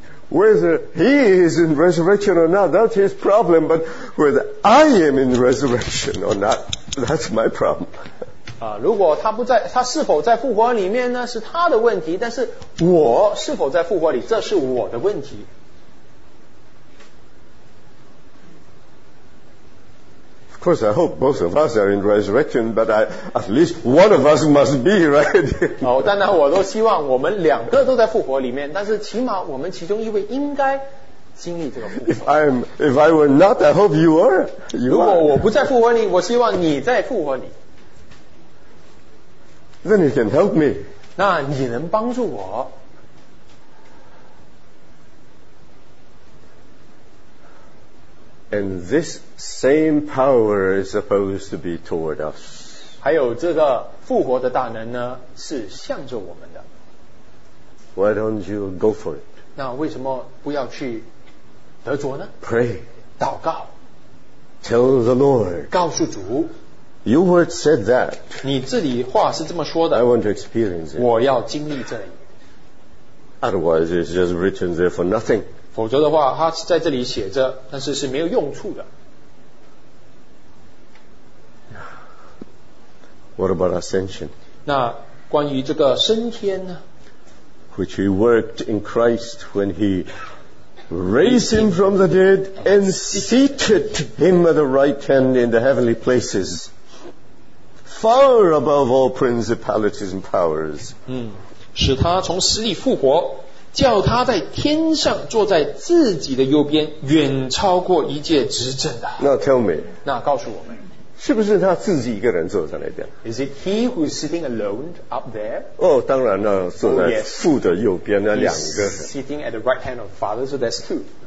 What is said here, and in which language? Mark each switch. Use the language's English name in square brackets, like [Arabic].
[English] Whether he is in resurrection or not, that's his problem. But whether I am in resurrection or not, that's my problem. [Chinese] 如果他不在，他是否在复活里面呢？是他的问题。但是我是否在复活里，这是我的问题。 [English] Of course, I hope both of us are in resurrection, but at least one of us must be, right? [Chinese] 当然我都希望我们两个都在复活里面，但是起码我们其中一位应该经历这个复活。 [English] If I were not, I hope you are. You are. [Chinese] 如果我不在复活里，我希望你在复活里。 [English] Then you can help me. [Chinese] 那你能帮助我。 [English] And this same power is supposed to be toward us. [Chinese] 还有这个复活的大能呢，是向着我们的。 [English] Why don't you go for it? [Chinese] 那为什么不要去得着呢？ [English] Pray. [Chinese] 祷告。 [English] Tell the Lord. [Chinese] 告诉主。 [English] Your word said that. [Chinese] 你这里话是这么说的。 [English] I want to experience it. [Chinese] 我要经历这里。 [English] Otherwise, it's just written there for nothing. [Chinese] 否则的话，他在这里写着，但是是没有用处的。 [English] What about ascension? [Chinese] 那关于这个升天呢？ [English] Which he worked in Christ when he raised him from the dead and seated him at the right hand in the heavenly places, far above all principalities and powers. [Chinese] 使他从死里复活。叫他在天上坐在自己的右边，远超过一切执政的。 [English] Now tell me， [Chinese] 那告诉我们，是不是他自己一个人坐在那边 [English] ？Is it he who is sitting alone up there？ [Chinese] 当然了，坐在父的右边那两个。 [English] He's sitting at the right hand of Father, so there's two.